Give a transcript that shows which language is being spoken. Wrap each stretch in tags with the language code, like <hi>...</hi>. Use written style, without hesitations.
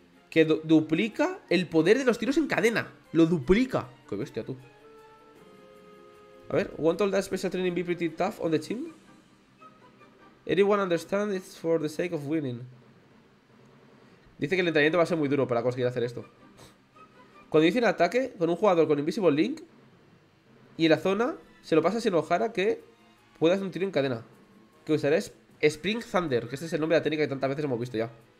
<es>Que duplica el poder de los tiros en cadena. Lo duplica. Qué bestia, tú. A ver,</es> <en>won't all that special training be pretty tough on the team? Anyone understand it's for the sake of winning.</en> <es>Dice que el entrenamiento va a ser muy duro para conseguir hacer esto. Cuando dice un ataque con un jugador con Invisible Link y en la zona, se lo pasa a Shinohara que puede hacer un tiro en cadena. Que usarás Spring Thunder, que este es el nombre de la técnica que tantas veces hemos visto ya.</es>